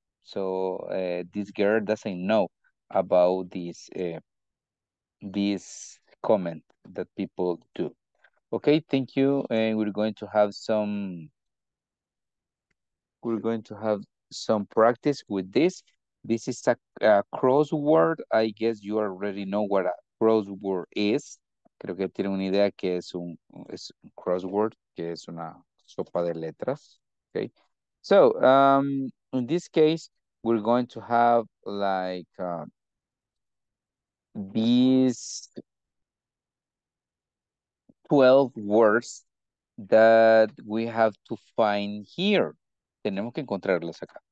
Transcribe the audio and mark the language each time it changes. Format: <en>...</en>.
<en>So this girl doesn't know about this comment that people do. Okay, thank you, and we're going to have some practice with this. This is a crossword. I guess you already know what a crossword is.</en> <es>Creo que tienen una idea que es un crossword, que es una sopa de letras.</es> <en>Okay. So, in this case, we're going to have like these 12 words that we have to find here. Tenemos que encontrarlas acá.</en>